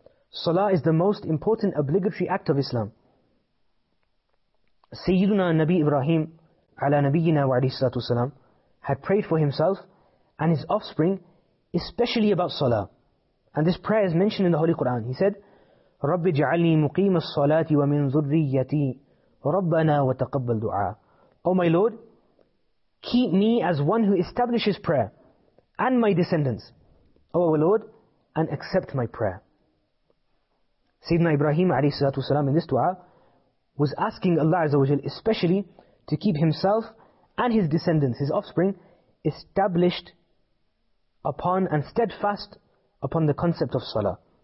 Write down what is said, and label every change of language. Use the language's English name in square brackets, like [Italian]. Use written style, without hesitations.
[English] Salah is the most important obligatory act of Islam. Sayyiduna Nabi Ibrahim ala Nabiyyina wa alayhi salatu wasalam had prayed for himself and his offspring especially about salah. And this prayer is mentioned in the Holy Quran. He said, [Arabic] رَبِّ جَعَلْنِي مُقِيمَ الصَّلَاةِ وَمِنْ ذُرِّيَّتِي رَبَّنَا وَتَقَبَّلْ دُعَى. [English] O my Lord, keep me as one who establishes prayer and my descendants. O our Lord, and accept my prayer. Sayyidina Ibrahim alayhi salatu wasalam in this dua was asking Allah Azza wa Jal especially to keep himself and his descendants, his offspring, established upon and steadfast upon the concept of salah.